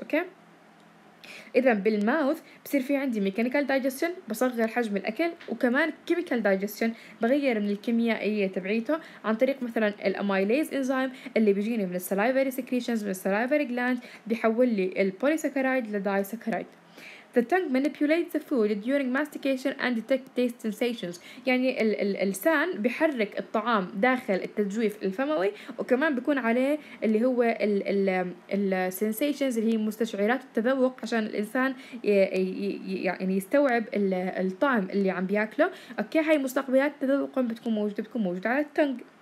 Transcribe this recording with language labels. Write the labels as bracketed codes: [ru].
[ar] أوكي, إذا بالماوث بصير في عندي ميكانيكال دايجستشن بصغر حجم الأكل, وكمان كيميكال دايجستشن بغير من الكيميائية تبعيته عن طريق مثلا الأمايليز إنزيم اللي بيجيني من السلايفري سيكريشنز من السلايفري جلاند بيحول لي البوليساكرايد لدايساكرايد. [en] The tongue manipulates the food during mastication and detect taste sensations. [ar] يعني اللسان بيحرك الطعام داخل التجويف الفموي, وكمان بيكون عليه اللي هو ال sensations اللي هي مستشعرات التذوق عشان الإنسان يعني يستوعب الطعم اللي عم بياكله. أوكي, هاي مستقبلات التذوق بتكون موجودة على التongue.